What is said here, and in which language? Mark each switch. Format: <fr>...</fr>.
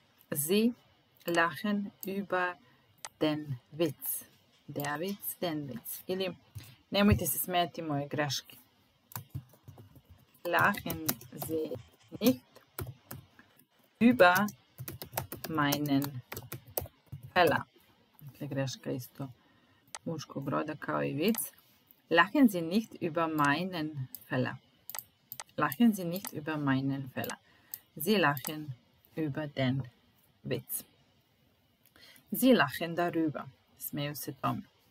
<de>Sie lachen über den Witz. Der Witz, den Witz.</de> <hr>Ili nemojte se smijeti moje greške.</hr> <de>Lachen Sie nicht über meinen Fehler.</de> <hr>Dakle, greška isto muškog roda kao i vic.</hr> <de>Lachen Sie nicht über meinen Fehler. Lachen Sie nicht über meinen Fehler. Sie lachen über den Witz. Sie lachen darüber.</de> <sr>Smeju se tome.</sr>